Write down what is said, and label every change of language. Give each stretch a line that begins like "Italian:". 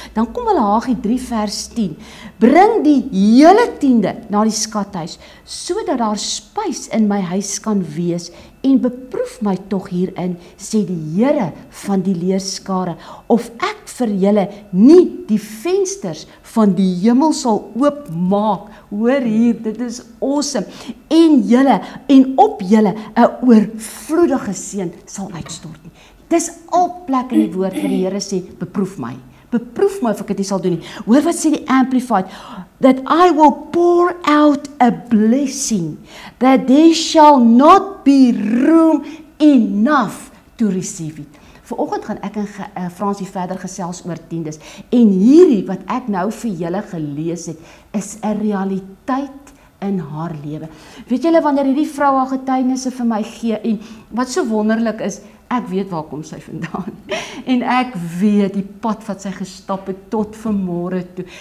Afrikaans: Dan kom Malagi 3 vers 10. Bring die hele tiende na die skathuis, sodat daar spys in my huis kan wees en beproef my tog hierin, sê die Here van die leerskare, of ek vir julle nie die vensters van die hemel sal oopmaak. Hoor hier, dit is awesome. En julle en op julle 'n oorvloedige seën sal uitstort. Dis al plek in die woord vir die Here sê, beproef my. Beproef my of ek dit sal doen nie. Hoor wat sê die Amplified,
English: that I will pour out a blessing, that there shall not be room enough to receive it.
Afrikaans: Vanoggend gaan ek en Fransie verder gesels oor tiendes. En hierdie wat ek nou vir julle gelees het, is 'n realiteit in haar lewe. Weet julle wanneer hierdie vrou haar getuienisse vir my gee en wat so wonderlik is, ek weet waar kom sy vandaan. En ek weet die pad wat sy gestap het tot vanmôre toe.